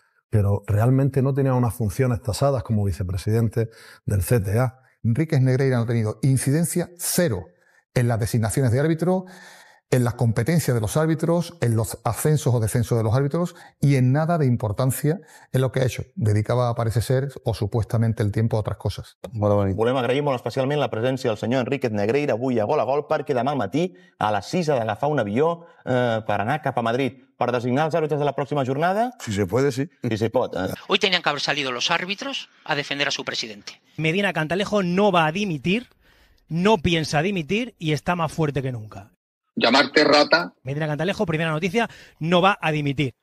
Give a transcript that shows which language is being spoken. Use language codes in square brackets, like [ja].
[es] Pero realmente no tenía unas funciones tasadas como vicepresidente del CTA. Enríquez Negreira no ha tenido incidencia cero en las designaciones de árbitro, en las competencias de los árbitros, en los ascensos o descensos de los árbitros y en nada de importancia en lo que ha hecho. Dedicaba, parece ser, o supuestamente el tiempo a otras cosas. [ca] Volem agrair molt especialment la presència del senyor Enríquez Negreira avui a Gol a Gol perquè demà al matí a les 6 ha d'agafar un avió per anar cap a Madrid. [es] ¿Para designar los árbitros de la próxima jornada? Si se puede, sí. Si se puede. Hoy tenían que haber salido los árbitros a defender a su presidente. Medina Cantalejo no va a dimitir, no piensa dimitir y está más fuerte que nunca. Llamarte rata. Medina Cantalejo, primera noticia, no va a dimitir.